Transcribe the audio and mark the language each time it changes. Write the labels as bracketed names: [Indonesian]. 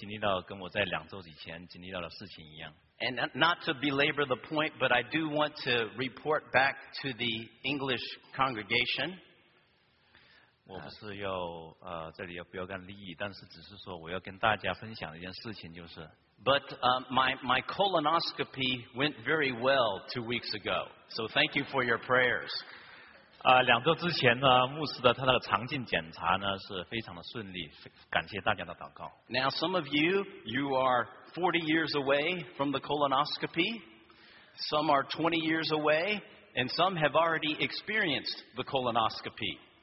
[Chinese] 所以在四十五年以后呢，你就会经历到跟我在两周以前经历到的事情一样。 [English] And not to belabor the point, but I do want to report back to the English congregation. [Chinese] 我不是要这里要标杆利益，但是只是说我要跟大家分享一件事情，就是。 [English] But my colonoscopy went very well 2 weeks ago, so thank you for your prayers. [Chinese] 两周之前呢，牧师的他那个肠镜检查呢是非常的顺利，感谢大家的祷告。 [English] Now some of you, you are 40 years away from the colonoscopy, some are 20 years away, and some have already experienced the colonoscopy.